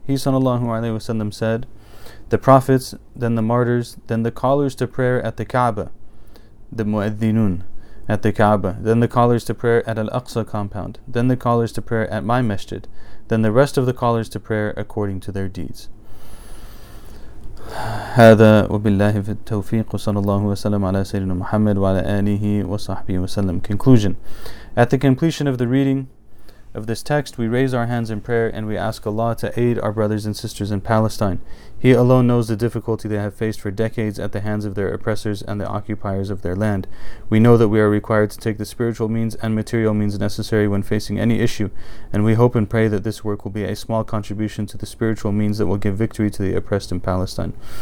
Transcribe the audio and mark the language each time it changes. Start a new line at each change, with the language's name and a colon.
English: He sallallahu alayhi wa sallam said, the prophets, then the martyrs, then the callers to prayer at the Kaaba, the Mu'adhinun at the Kaaba, then the callers to prayer at Al-Aqsa compound, then the callers to prayer at my masjid, then the rest of the callers to prayer according to their deeds.
Arabic: هذا وبالله في التوفيق صلى الله وسلم على سيدنا محمد وعلى آله وصحبه وسلم.
English: Conclusion. At the completion of the reading of this text, we raise our hands in prayer and we ask Allah to aid our brothers and sisters in Palestine. He alone knows the difficulty they have faced for decades at the hands of their oppressors and the occupiers of their land. We know that we are required to take the spiritual means and material means necessary when facing any issue, and we hope and pray that this work will be a small contribution to the spiritual means that will give victory to the oppressed in Palestine.